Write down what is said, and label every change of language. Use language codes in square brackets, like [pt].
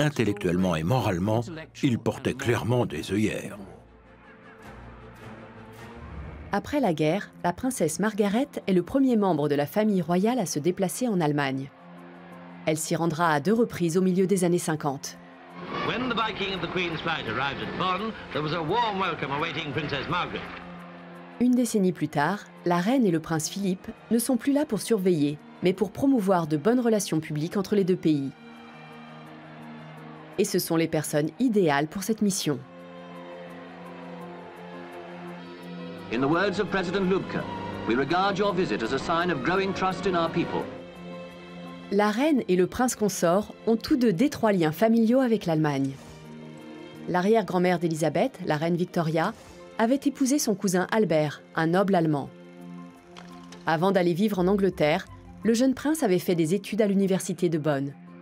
[fr] Intellectuellement et moralement, il portait clairement des œillères. Après la guerre, la princesse Margaret est le premier membre de la famille royale à se déplacer en Allemagne. Elle s'y rendra à deux reprises au milieu des années 50. [en] When the Viking and the Queen's flight arrived at Bonn, there was a warm welcome awaiting Princess Margaret. [fr] Une décennie plus tard, la reine et le prince Philippe ne sont plus là pour surveiller, mais pour promouvoir de bonnes relations publiques entre les deux pays. Et ce sont les personnes idéales pour cette mission. [en] In the words of President Lubke, we regard your visit as a sign of growing trust in our people. [fr] La reine et le prince consort ont tous deux d'étroits liens familiaux avec l'Allemagne. L'arrière-grand-mère d'Elisabeth, la reine Victoria, avait épousé son cousin Albert, un noble allemand. Avant d'aller vivre en Angleterre, le jeune prince avait fait des études à l'université de Bonn.